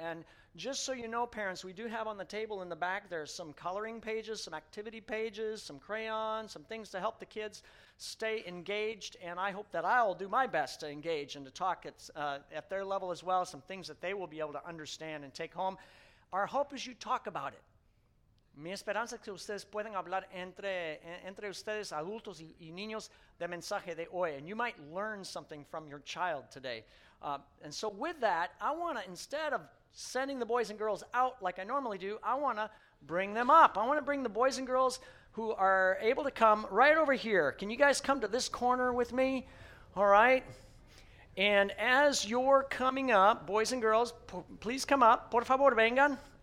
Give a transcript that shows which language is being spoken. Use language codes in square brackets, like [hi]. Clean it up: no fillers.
[en] And just so you know, parents, we do have on the table in the back, there's some coloring pages, some activity pages, some crayons, some things to help the kids stay engaged. And I hope that I'll do my best to engage and to talk at their level as well, some things that they will be able to understand and take home. Our hope is you talk about it. [es] Mi esperanza es que ustedes puedan hablar entre ustedes, adultos y niños, de mensaje de hoy. [en] And you might learn something from your child today. And so with that, I want to, instead of sending the boys and girls out like I normally do, I want to bring them up. I want to bring the boys and girls who are able to come right over here. Can you guys come to this corner with me? All right. And as you're coming up, boys and girls, please come up. [es] Por favor, vengan.